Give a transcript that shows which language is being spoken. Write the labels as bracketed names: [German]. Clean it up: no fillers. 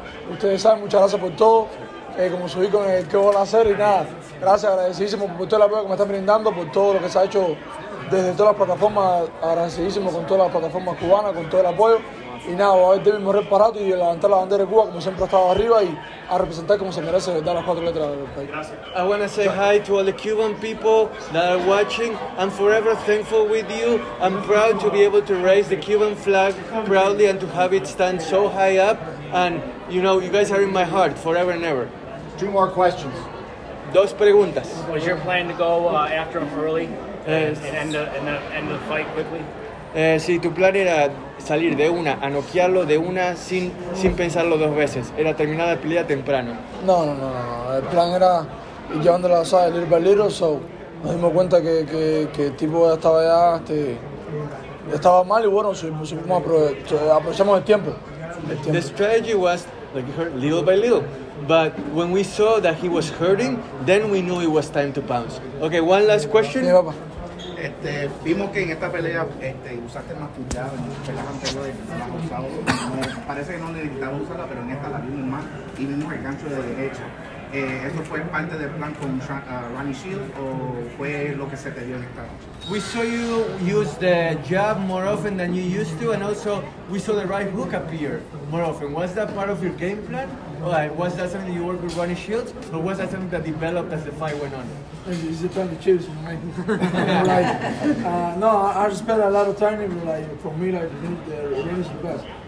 [Spanish] Ustedes saben, muchas gracias por todo. Como subí con el que voy a hacer y nada, gracias, agradecidísimo por todo el apoyo que me están brindando, por todo lo que se ha hecho desde todas las plataformas, agradecidísimo con todas las plataformas cubanas, con todo el apoyo y nada, voy a ver de mi mejor reparato y levantar la bandera de Cuba como siempre ha estado arriba y a representar como se merece dar las cuatro letras del país. Gracias. [English] I want to say hi to all the Cuban people that are watching. I'm forever thankful with you. I'm proud to be able to raise the Cuban flag proudly and to have it stand so high up. And you know, you guys are in my heart forever and ever. Two more questions. [Spanish] Dos preguntas. [English] Was your plan to go after him early and end the fight quickly? [Spanish] Sí, tu plan era salir de una, a noquearlo de una sin pensarlo dos veces. Era terminar la pelea temprano. No. El plan era ir llevándolo, ¿sabes? [English] Little by little. [Spanish] So, nos dimos cuenta que el tipo ya estaba ya, estaba mal y bueno, aprovechamos el tiempo. [English] The strategy was, like you heard, little by little. But when we saw that he was hurting, then we knew it was time to pounce. Okay, one last question. [Spanish] Sí, papá. Vimos que en esta pelea usaste más tu llave en las peleas anteriores. Parece que no necesitaba usarla, pero en esta la vimos más y vimos el gancho de derecha. ¿Eso fue parte del plan con Ronnie Shields o fue lo que se te dio en esta noche? [English] We saw you use the jab more often than you used to, and also we saw the right hook appear more often. Was that part of your game plan? Like, was that something you worked with Ronnie Shields, or was that something that developed as the fight went on? It's a time to choose, right? Like, no, I just spent a lot of time, but like, for me, like, the ring is the best.